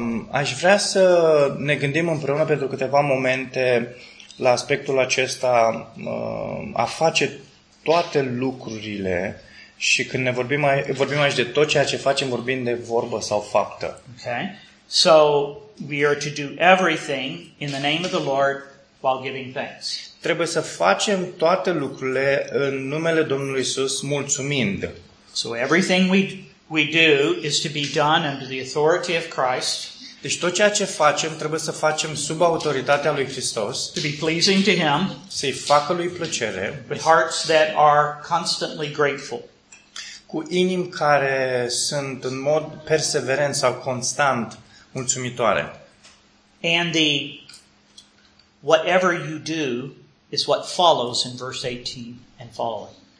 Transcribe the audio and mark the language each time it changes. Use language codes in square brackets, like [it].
[ro] Aș vrea să ne gândim împreună pentru câteva momente la aspectul acesta a face toate lucrurile. Și când ne vorbim aici de tot ceea ce facem, vorbim de vorbă sau faptă. [en] Okay. So we are to do everything in the name of the Lord while giving thanks. [ro] Trebuie să facem toate lucrurile în numele Domnului Iisus mulțumind. [en] So everything we do is to be done under the authority of Christ. [ro] Deci tot ceea ce facem trebuie să facem sub autoritatea lui Hristos. [en] To be pleasing to him. [ro] Să-i facă lui plăcere. [en] With hearts that are constantly grateful. [ro] Cu inimi care sunt în mod perseverent sau constant mulțumitoare. [en] And the whatever you do is what follows in verse 18 and following.